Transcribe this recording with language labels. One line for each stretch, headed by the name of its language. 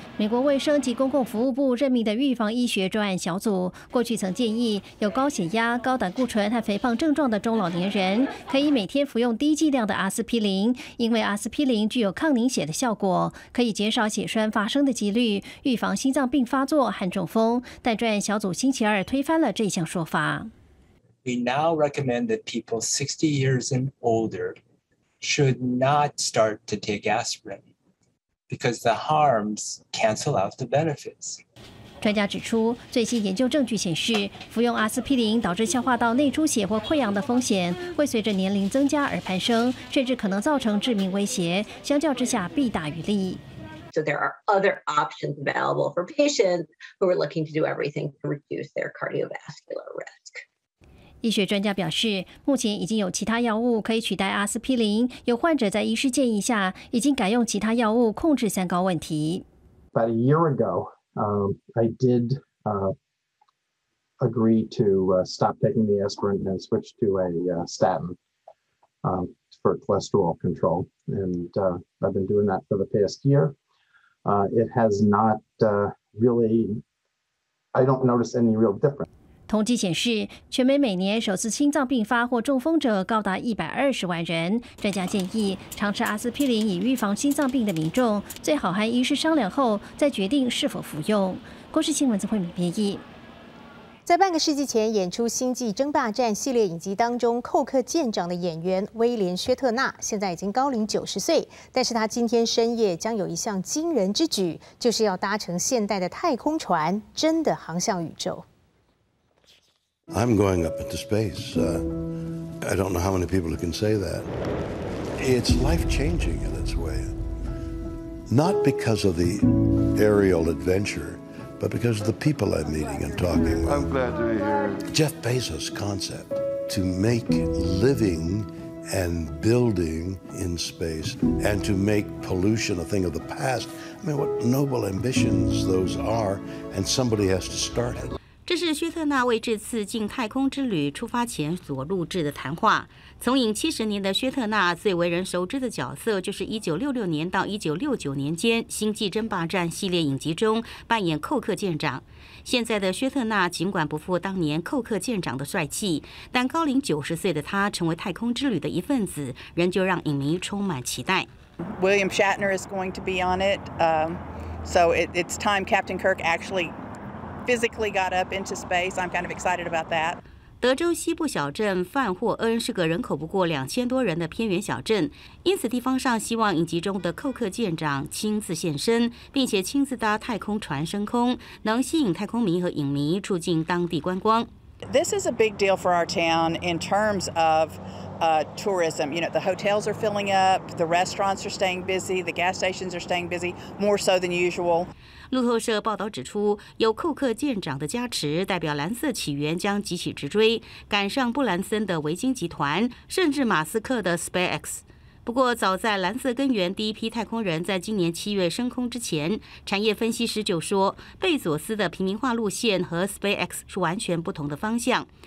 Chinese: 美国卫生及公共服务部任命的预防医学专案小组过去曾建议，有高血压、高胆固醇和肥胖症状的中老年人可以每天服用低剂量的阿司匹林，因为阿司匹林具有抗凝血的效果，可以减少血栓发生的几率，预防心脏病发作和中风。但专案小组星期二推翻了这项说法。
English: We now recommend that people 60 years and older should not start to take aspirin because the harms cancel out the benefits.
Chinese: 专家指出，最新研究证据显示，服用阿司匹林导致消化道内出血或溃疡的风险会随着年龄增加而攀升，甚至可能造成致命威胁。相较之下，弊大于利。
English: So there are other options available for patients who are looking to do everything to reduce their cardiovascular risk.
Chinese: 医学专家表示，目前已经有其他药物可以取代阿司匹林，有患者在医师建议下已经改用其他药物控制三高问题。
English: About a year ago, I did agree to stop taking the aspirin and switch to a statin for cholesterol control, and I've been doing that for the past year. It has not really, I don't notice any real difference.
Chinese: 统计显示，全美每年首次心脏病发或中风者高达120万人。专家建议，常吃阿司匹林以预防心脏病的民众，最好和医师商量后再决定是否服用。国视新闻曾慧敏编译。在半个世纪前演出《星际争霸战》系列影集当中，寇克舰长的演员威廉·薛特纳现在已经高龄90岁，但是他今天深夜将有一项惊人之举，就是要搭乘现代的太空船，真的航向宇宙。
English: I'm going up into space. I don't know how many people can say that. It's life-changing in its way. Not because of the aerial adventure, but because of the people I'm meeting and talking with. I'm glad to be here. Jeff Bezos' concept to make living and building in space and to make pollution a thing of the past. I mean, what noble ambitions those are, and somebody has to start it.
Chinese: 这是薛特纳为这次进太空之旅出发前所录制的谈话。从影70年的薛特纳最为人熟知的角色，就是1966年到1969年间《星际争霸战》系列影集中扮演寇克舰长。现在的薛特纳尽管不复当年寇克舰长的帅气，但高龄90岁的他成为太空之旅的一份子，仍旧让影迷充满期待。
English: William Shatner is going to be on it, so it's time Captain Kirk actually. Physically got up into space. I'm kind of excited about that.
Chinese: 德州西部小镇范霍恩是个人口不过2000多人的偏远小镇，因此地方上希望影集中的寇克舰长亲自现身，并且亲自搭太空船升空，能吸引太空迷和影迷住进当地观光。
English: This is a big deal for our town in terms of tourism. You know, the hotels are filling up, the restaurants are staying busy, the gas stations are staying busy more so than usual.
Chinese: 路透社报道指出，有寇克舰长的加持，代表蓝色起源将急起直追，赶上布兰森的维京集团，甚至马斯克的 SpaceX。不过，早在蓝色根源第一批太空人在今年7月升空之前，产业分析师就说，贝佐斯的平民化路线和 SpaceX 是完全不同的方向。